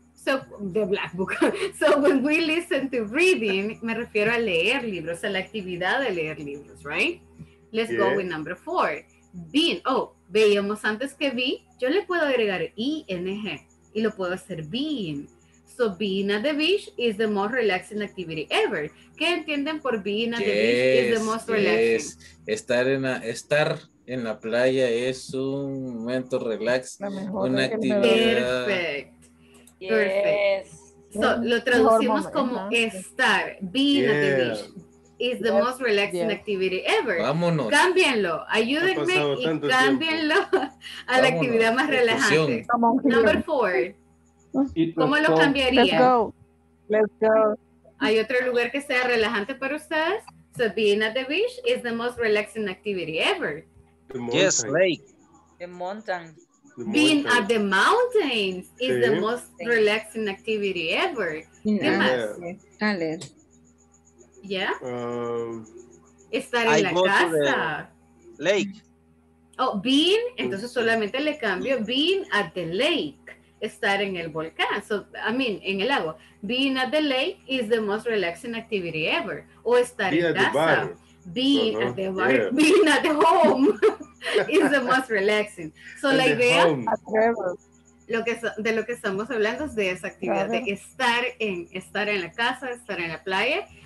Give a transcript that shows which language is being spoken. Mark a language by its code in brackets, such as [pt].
[en] So, the black book. So, when we listen to reading, [es] me refiero a leer libros, [en] a la actividad de leer libros, right? Let's go with number four. [es] Been, veíamos antes que vi, yo le puedo agregar ing y lo puedo hacer being. [en] So being at the beach is the most relaxing activity ever. [es] ¿Qué entienden por [en] being at the beach is the most relaxing? [es] Es estar en la playa es un momento relax, una actividad. [en] Perfect. Yes. So [es] lo traducimos como estar, [en] being at the beach. Is the most relaxing activity ever. [es] Vámonos. Cámbienlo. Ayúdenme y cámbienlo a la actividad más relajante. [en] Number four. [es] ¿Cómo lo cambiaría? [en] Let's go. [es] ¿Hay otro lugar que sea relajante para ustedes? [en] So being at the beach is the most relaxing activity ever. Yes, lake. The mountain. Being at the mountains is the most relaxing activity ever. [es] ¿Qué más? Dale. Yeah. Estar en la casa. [en] Lake. [es] Oh, being, entonces solamente le cambio [en] being at the lake. [es] Estar en el volcán. [en] So, I mean, [es] en el agua. [en] Being at the lake is the most relaxing activity ever. [es] O estar en casa. [en] Being at the bar. Being at the home is the most relaxing. [es] So, la idea de lo que estamos hablando es de esa actividad de estar en la casa, estar en la playa.